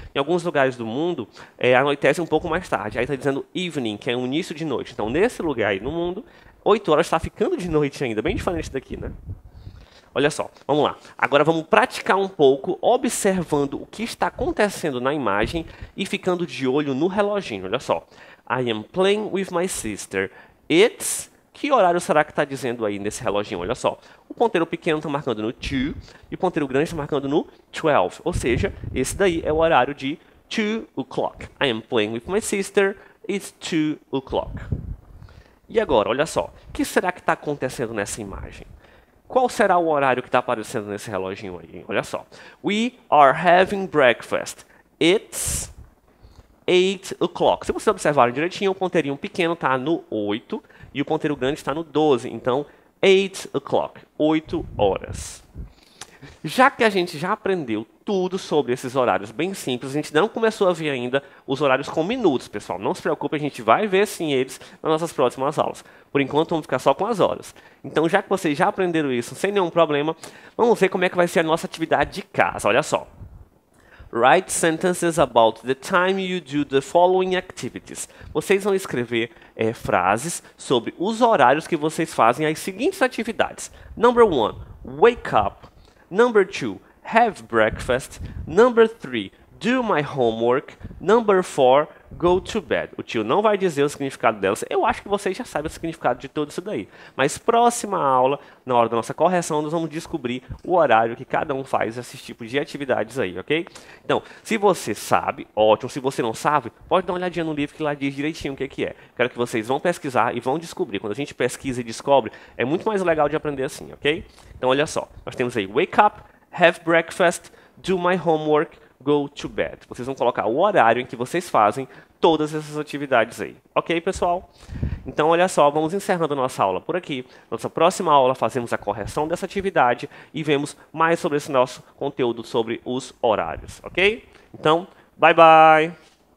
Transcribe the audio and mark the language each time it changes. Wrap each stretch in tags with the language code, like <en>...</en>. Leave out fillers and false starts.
<pt>Em alguns lugares do mundo, anoitece um pouco mais tarde. Aí está dizendo evening, que é o início de noite. Então, nesse lugar aí no mundo, 8 horas está ficando de noite ainda. Bem diferente daqui, né? Olha só, vamos lá. Agora vamos praticar um pouco observando o que está acontecendo na imagem e ficando de olho no reloginho. Olha só.</pt> <en>I am playing with my sister. It's.</en> <pt>Que horário será que está dizendo aí nesse reloginho? Olha só. O ponteiro pequeno está marcando no 2 e o ponteiro grande está marcando no 12. Ou seja, esse daí é o horário de 2 o'clock.</pt> <en>I am playing with my sister. It's 2 o'clock.</en> <pt>E agora, olha só. O que será que está acontecendo nessa imagem? Qual será o horário que está aparecendo nesse reloginho aí? Olha só.</pt> <en>We are having breakfast. It's 8 o'clock.</en> <pt>Se vocês observarem direitinho, o ponteirinho pequeno está no 8. E o ponteiro grande está no 12, então 8 o'clock, 8 horas. Já que a gente já aprendeu tudo sobre esses horários bem simples, a gente não começou a ver ainda os horários com minutos, pessoal. Não se preocupe, a gente vai ver sim eles nas nossas próximas aulas. Por enquanto, vamos ficar só com as horas. Então, já que vocês já aprenderam isso sem nenhum problema, vamos ver como é que vai ser a nossa atividade de casa. Olha só.</pt> <en>Write sentences about the time you do the following activities.</en> <pt>Vocês vão escrever frases sobre os horários que vocês fazem as seguintes atividades.</pt> <en>Number one, wake up. Number two, have breakfast, number 3, do my homework, number 4, go to bed.</en> <pt>O tio não vai dizer o significado delas. Eu acho que vocês já sabem o significado de tudo isso daí. Mas próxima aula, na hora da nossa correção, nós vamos descobrir o horário que cada um faz esses tipos de atividades aí, ok? Então, se você sabe, ótimo. Se você não sabe, pode dar uma olhadinha no livro que lá diz direitinho o que é. Quero que vocês vão pesquisar e vão descobrir. Quando a gente pesquisa e descobre, é muito mais legal de aprender assim, ok? Então, olha só. Nós temos aí,</pt> <en>wake up, have breakfast, do my homework, go to bed.</en> <pt>Vocês vão colocar o horário em que vocês fazem todas essas atividades aí. Ok, pessoal? Então, olha só, vamos encerrando a nossa aula por aqui. Nossa próxima aula, fazemos a correção dessa atividade e vemos mais sobre esse nosso conteúdo sobre os horários. Ok? Então, bye bye!</pt>